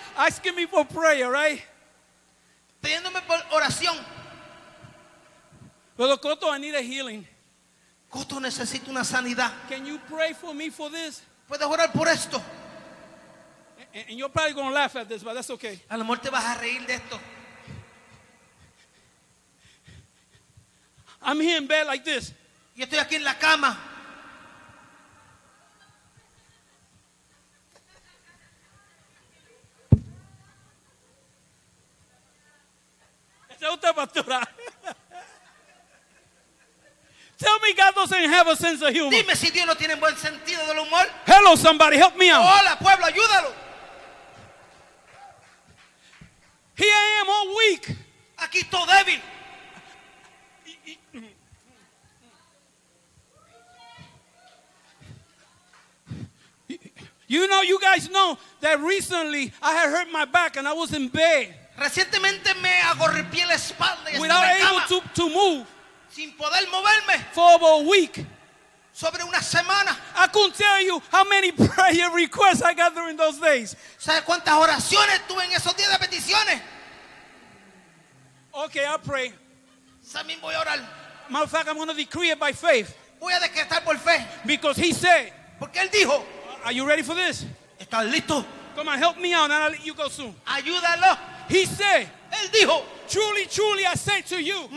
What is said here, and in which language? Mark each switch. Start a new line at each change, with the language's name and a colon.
English: Asking me for prayer, right?
Spanish: Pidiéndome por oración. Pero
English: Coto, I need a healing.
Spanish: Coto, necesito una sanidad.
English: Can you pray for me for this?
Spanish: ¿Puedes orar por esto?
English: And you're probably going to laugh at this, but that's okay.
Spanish: A lo mejor te vas a reír de esto.
English: I'm here in bed like this.
Spanish: Yo estoy aquí en la cama. ¿Te gusta, pastora?
English: Tell me God doesn't have a sense of humor.
Spanish: Dime si Dios no tiene buen sentido del humor.
English: Hello, somebody, help me out.
Spanish: Hola, pueblo, ayúdalo.
English: Here I am all weak.
Spanish: Aquí estoy débil.
English: You know, you guys know that recently I had hurt my back and I was in bed.
Spanish: Recientemente me agorripié la espalda.
English: Without able to move.
Spanish: Sin poder moverme.
English: For over a week.
Spanish: Sobre una semana.
English: I couldn't tell you how many prayer requests I got during those days.
Spanish: ¿Sabes cuántas oraciones tuve en esos días de peticiones?
English: Okay, I'll pray.
Spanish: También voy a orar.
English: Matter of fact, I'm going to decree it by faith.
Spanish: Voy a decretar por fe.
English: Because he said.
Spanish: Porque él dijo.
English: Are you ready for this?
Spanish: ¿Estás listo?
English: Come on, help me out and I'll let you go soon.
Spanish: Ayúdalo.
English: He said.
Spanish: Él dijo.
English: Truly, truly, I say to you.